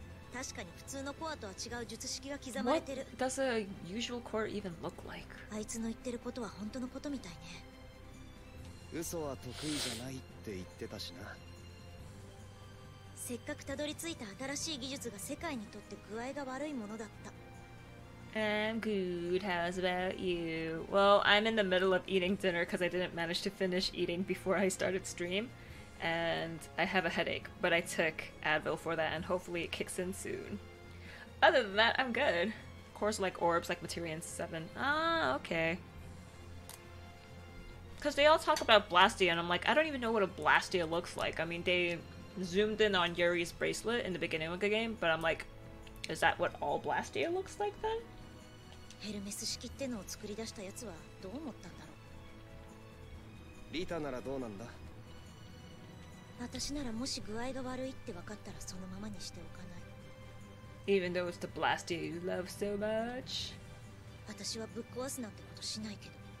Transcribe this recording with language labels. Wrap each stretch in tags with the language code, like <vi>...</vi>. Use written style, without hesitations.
<ja>確かに普通のコアとは違う術式が刻まれてる。</ja> <en>What does a usual core even look like?</en> <ja>あいつの言ってることは本当のことみたいね。嘘は得意じゃないって言ってたしな。せっかくたどり着いた新しい技術が世界にとって具合が悪いものだった。</ja> <en>I'm good. How's about you? Well, I'm in the middle of eating dinner because I didn't manage to finish eating before I started stream. And I have a headache, but I took Advil for that, and hopefully it kicks in soon. Other than that, I'm good. Of course, like orbs, like Materian 7. Ah, okay. Because they all talk about Blastia, and I'm like, I don't even know what a Blastia looks like. I mean, they zoomed in on Yuri's bracelet in the beginning of the game, but I'm like, is that what all Blastia looks like then?</en> <ja>Hermes 式ってのを作り出したやつはどう思ったんだろう? Rita ならどうなんだ? 私ならもし具合が悪いって分かったらそのままにしておかない。</ja> <en>Even though it's the Blastia you love so much.</en> <ja>私はぶっ壊すなんてことしないけど。</ja>